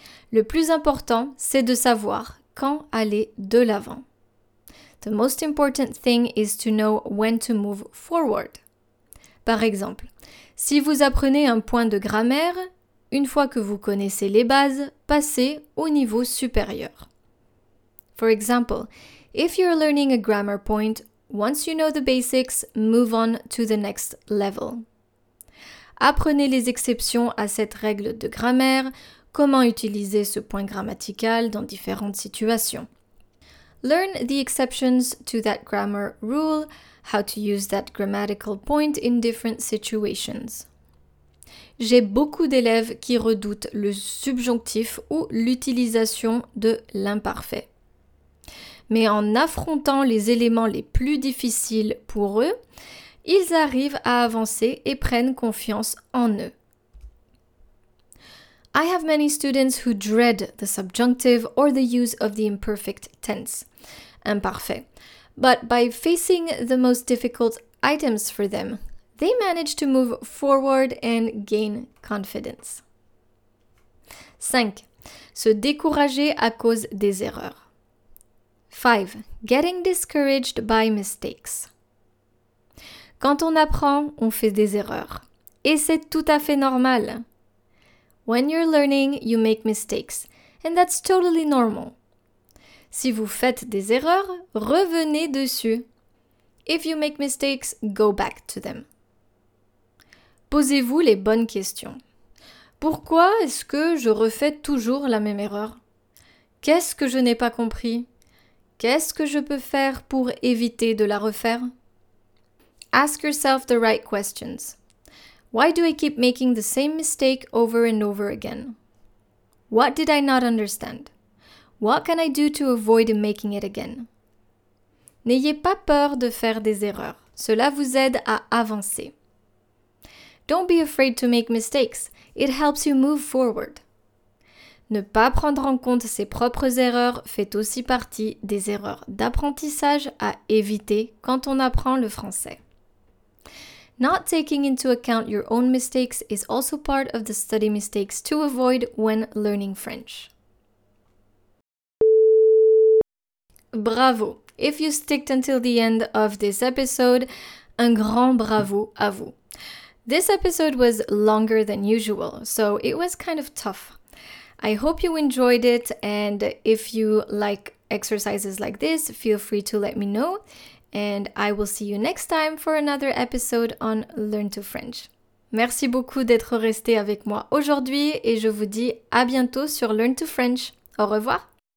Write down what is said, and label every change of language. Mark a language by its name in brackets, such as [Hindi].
[French] Le plus important, c'est de savoir quand aller de l'avant. [English] The most important thing is to know when to move forward. [French] Par exemple, si vous apprenez un point de grammaire, une fois que vous connaissez les bases, passez au niveau supérieur. [English] For example, if you're learning a grammar point, once you know the basics, move on to the next level. [French] Apprenez les exceptions à cette règle de grammaire, comment utiliser ce point grammatical dans différentes situations. [English] Learn the exceptions to that grammar rule, how to use that grammatical point in different situations. [French] J'ai beaucoup d'élèves qui redoutent le subjonctif ou l'utilisation de l'imparfait. mais en affrontant les éléments les plus difficiles pour eux, ils arrivent à avancer et prennent confiance en eux. [English] I have many students who dread the subjunctive or the use of the imperfect tense, imparfait. But by facing the most difficult items for them, they manage to move forward and gain confidence. 5. [French] Se décourager à cause des erreurs. 5. [English] Getting discouraged by mistakes. [French] Quand on apprend, on fait des erreurs. Et c'est tout à fait normal. [English] When you're learning, you make mistakes. And that's totally normal. [French] Si vous faites des erreurs, revenez dessus. [English] If you make mistakes, go back to them. [French] Posez-vous les bonnes questions. Pourquoi est-ce que je refais toujours la même erreur? Qu'est-ce que je n'ai pas compris? Qu'est-ce que je peux faire pour éviter de la refaire? [English] Ask yourself the right questions. Why do I keep making the same mistake over and over again? What did I not understand? What can I do to avoid making it again? [French] N'ayez pas peur de faire des erreurs. Cela vous aide à avancer. [English] Don't be afraid to make mistakes. It helps you move forward. [French] Ne pas prendre en compte ses propres erreurs fait aussi partie des erreurs d'apprentissage à éviter quand on apprend le français. [English] Not taking into account your own mistakes is also part of the study mistakes to avoid when learning French. Bravo! If you sticked until the end of this episode, [French] un grand bravo à vous. [English] This episode was longer than usual, so it was kind of tough. I hope you enjoyed it, and if you like exercises like this, feel free to let me know. And I will see you next time for another episode on Learn to French. [French] Merci beaucoup d'être resté avec moi aujourd'hui, et je vous dis à bientôt sur Learn to French. Au revoir!